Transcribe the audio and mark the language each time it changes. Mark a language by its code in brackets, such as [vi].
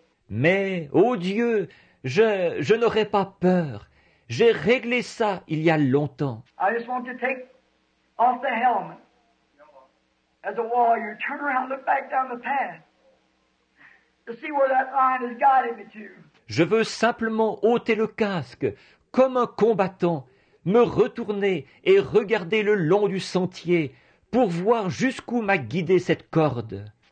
[fr] Mais, ô Dieu, je n'aurai pas peur. J'ai réglé ça il y a longtemps. [en] I just want to take off the helmet. As a warrior, turn around, look back down the path. To see where that line has guided me to. [fr] Je veux simplement ôter le casque, comme un combattant, me retourner et regarder le long du sentier pour voir jusqu'où m'a guidé cette corde.